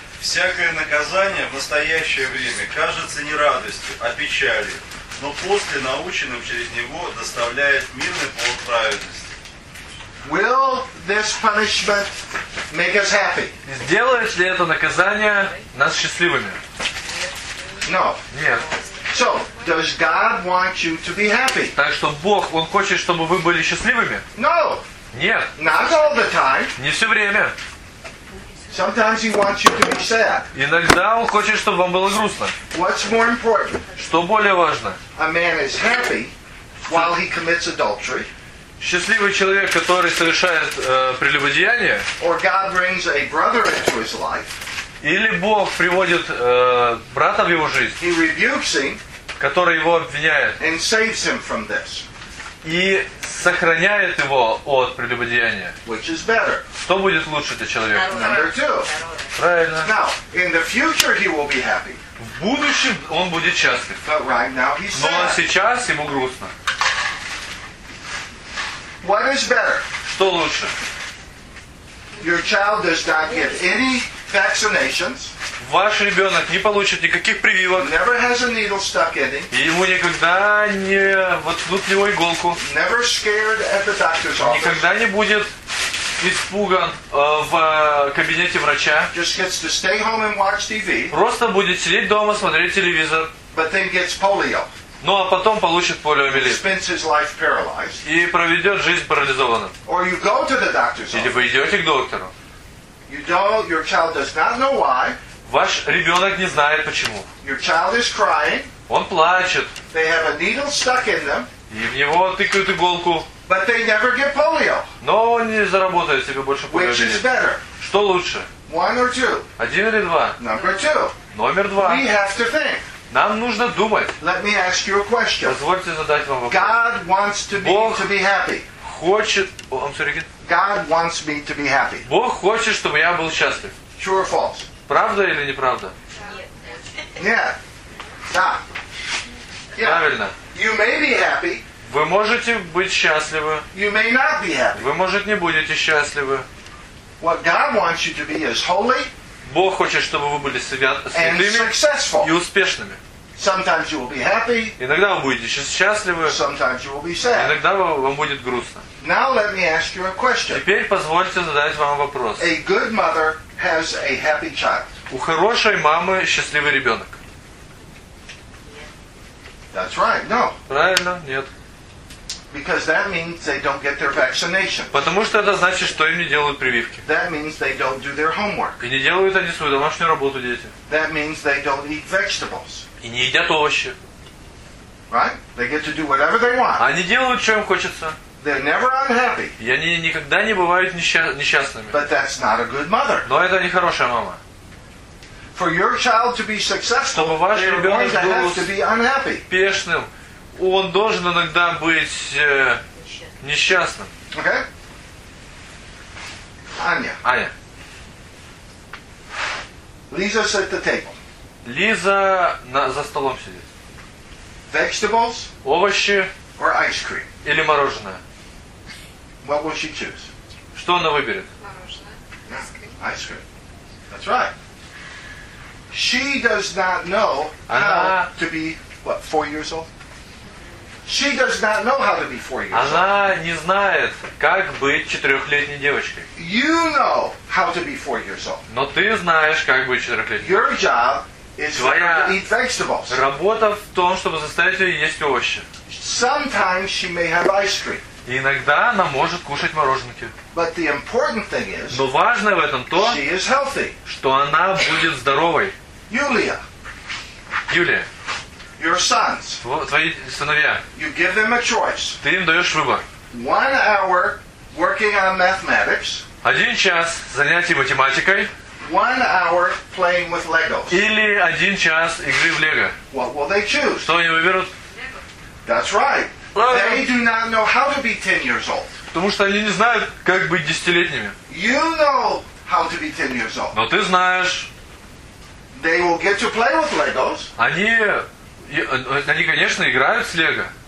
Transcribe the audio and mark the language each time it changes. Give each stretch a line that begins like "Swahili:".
Russian: Всякое наказание в настоящее время кажется не радостью, а печалью. Но после наученным через него доставляет мирный плод праведности.
English: Will this punishment make us happy?
Russian: Сделает ли это наказание нас счастливыми?
English: No.
Russian: Нет.
English: So, does God want you to be happy?
Russian: Так что Бог, Он хочет, чтобы вы были счастливыми?
English: No.
Russian: Нет.
English: Not all the time.
Russian: Не все время.
English: Sometimes he wants you to be sad.
Russian: Иногда он хочет, чтобы вам было грустно.
English: What's more important?
Russian: Что более важно?
English: A man is happy while he commits adultery.
Russian: Счастливый человек, который совершает прелюбодеяние.
English: Or God brings a brother into his life.
Russian: Или Бог приводит брата в его жизнь.
English: He rebukes him.
Russian: Который его обвиняет.
English: And saves him from this.
Russian: И сохраняет его от прелюбодеяния.
English: Which is better?
Russian: Что будет лучше для человека?
English: Number two.
Russian: Правильно.
English: Now, in the future he will be happy.
Russian: В будущем он будет счастлив.
English: But right now he's sad.
Russian: Но сейчас ему грустно.
English: What is better?
Russian: Что лучше?
English: Your child does not get any vaccinations.
Russian: ваш ребенок не получит никаких прививок.
English: Never has a needle stuck in him.
Russian: Ему никогда не воткнут в него иголку.
English: Never scared at the doctor's office.
Russian: Никогда не будет испуган в кабинете врача.
English: Just gets to stay home and watch TV.
Russian: Просто будет сидеть дома, смотреть телевизор.
English: But then gets polio.
Russian: Ну а потом получит полиомиелит.
English: Spends his life paralyzed.
Russian: И проведет жизнь парализованным.
English: Or you go to the doctor's office.
Russian: Или вы идете к доктору.
English: You don't, your child does not know why.
Russian: Ваш ребенок не знает почему.
English: Your child is crying.
Russian: Он плачет.
English: They have a needle stuck in them.
Russian: И в него тыкают иголку.
English: But they never get polio.
Russian: Но он не заработает себе больше полиомиелит.
English: Which is better?
Russian: Что лучше?
English: One or two?
Russian: Один или два?
English: Number two.
Russian: Номер два.
English: We have to think.
Russian: Нам нужно думать.
English: Let me ask you a question.
Russian: Позвольте задать вам вопрос.
English: God wants to be,
Russian: Бог
English: to be happy.
Russian: Хочет...
English: God wants me to be happy.
Russian: Бог хочет, чтобы я был счастлив.
English: True or false?
Russian: Правда или неправда? Нет. Да. Правильно.
English: You may be happy.
Russian: Вы можете быть счастливы.
English: You may not be happy.
Russian: Вы, может, не будете счастливы.
English: What God wants you to be is holy.
Russian: Бог хочет, чтобы вы были святыми и успешными.
English: Sometimes you will be happy.
Russian: Иногда вы будете счастливы.
English: Sometimes you will be sad.
Russian: Иногда вам будет грустно.
English: Now let me ask you a question.
Russian: Теперь позвольте задать вам вопрос.
English: A good mother has a happy child.
Russian: У хорошей мамы счастливый ребенок.
English: That's right. No.
Russian: Правильно? Нет.
English: Because that means they don't get their vaccination.
Russian: Потому что это значит, что им не делают прививки.
English: That means they don't do their homework.
Russian: И не делают они свою домашнюю работу, дети.
English: That means they don't eat vegetables.
Russian: И не едят овощи.
English: Right? They get to do whatever they want.
Russian: Они делают, что им хочется.
English: They're never unhappy.
Russian: И они никогда не бывают несчастными.
English: But that's not a good mother.
Russian: Но это не хорошая мама.
English: For your child to be successful, they're going to have to be unhappy.
Russian: Успешным. Он должен иногда быть несчастным.
English: Okay.
Russian: Аня.
English: Lisa at the table.
Russian: Лиза за столом сидит.
English: Vegetables.
Russian: Овощи.
English: Or ice cream.
Russian: Или мороженое.
English: What will she choose?
Russian: Что она выберет? Мороженое.
English: Ice cream. That's right. She does not know how to be what, 4 years old? She does not know how to be 4 years old.
Russian: Она не знает, как быть 4-летней девочкой.
English: You know how to be 4 years old.
Russian: Но ты знаешь, как быть 4-летней.
English: Your job is to eat vegetables.
Russian: Работа в том, чтобы заставить ее есть овощи.
English: Sometimes she may have ice cream.
Russian: Иногда она может кушать мороженки.
English: But the important thing is.
Russian: Но важное в этом то,
English: she is healthy.
Russian: Что она будет здоровой. Юлия. Юлия.
English: Your sons.
Russian: Твои сыновья.
English: You give them a choice.
Russian: Ты им даешь выбор.
English: 1 hour working on mathematics.
Russian: 1 час занятий математикой.
English: 1 hour playing with Legos.
Russian: Или 1 час игры в Лего.
English: What will they choose?
Russian: Что они выберут?
English: That's right. They do not know how to be 10 years old.
Russian: Потому что они не знают, как быть 10-летними.
English: You know how to be 10 years old.
Russian: Но ты знаешь.
English: They will get to play with Legos.
Russian: Они, конечно, играют с Лего.